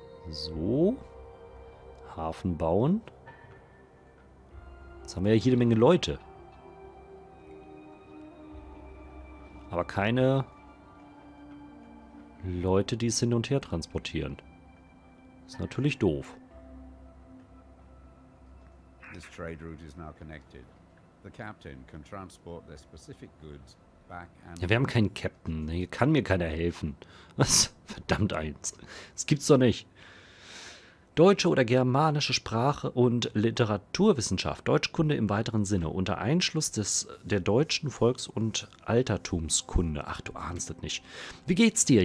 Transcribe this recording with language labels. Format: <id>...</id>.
<de>So, Hafen bauen. Jetzt haben wir ja jede Menge Leute. Aber keine Leute, die es hin und her transportieren. Ist natürlich doof.</de> <en>This trade route is now connected. The captain can transport their specific goods back and...</en> <de>Ja, wir haben keinen Captain. Hier kann mir keiner helfen. Was? Verdammt eins. Das gibt's doch nicht. Deutsche oder germanische Sprache und Literaturwissenschaft, Deutschkunde im weiteren Sinne, unter Einschluss der deutschen Volks- und Altertumskunde. Ach, du ahnst das nicht. Wie geht's dir?</de>